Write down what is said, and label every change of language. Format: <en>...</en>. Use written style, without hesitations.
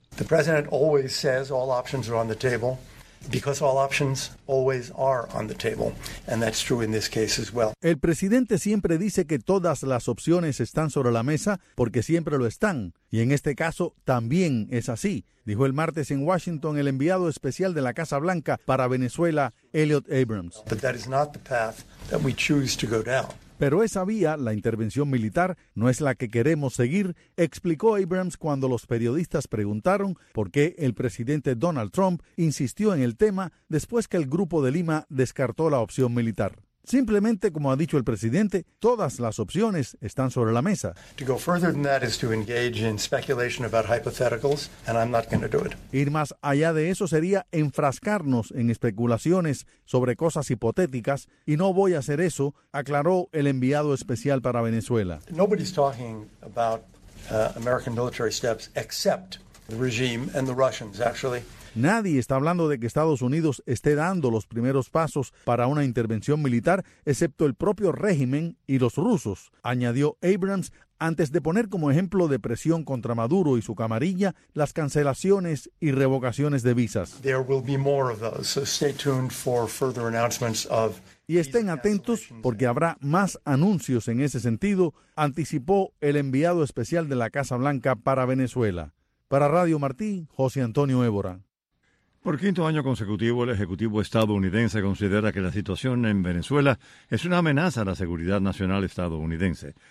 <en>The president always says all options are on the table. Because all options always are on the table, and that's true in this case as well.</en> <es>El presidente siempre dice que todas las opciones están sobre la mesa porque siempre lo están, y en este caso también es así, dijo el martes en Washington el enviado especial de la Casa Blanca para Venezuela, Elliot Abrams.</es> <en>But that is not the path that we choose to go down.</en> <es>Pero esa vía, la intervención militar, no es la que queremos seguir, explicó Abrams cuando los periodistas preguntaron por qué el presidente Donald Trump insistió en el tema después que el Grupo de Lima descartó la opción militar. Simplemente, como ha dicho el presidente, todas las opciones están sobre la mesa. Ir más allá de eso sería enfrascarnos en especulaciones sobre cosas hipotéticas, y no voy a hacer eso, aclaró el enviado especial para Venezuela.</es> <en>Nobody's talking about American military steps except the regime and the Russians, actually.</en> <es>Nadie está hablando de que Estados Unidos esté dando los primeros pasos para una intervención militar, excepto el propio régimen y los rusos, añadió Abrams antes de poner como ejemplo de presión contra Maduro y su camarilla las cancelaciones y revocaciones de visas.</es> <en>There will be more of those, so stay tuned for further announcements of.</en> <es>Y estén atentos porque habrá más anuncios en ese sentido, anticipó el enviado especial de la Casa Blanca para Venezuela. Para Radio Martí, José Antonio Évora. Por quinto año consecutivo, el Ejecutivo estadounidense considera que la situación en Venezuela es una amenaza a la seguridad nacional estadounidense.</es>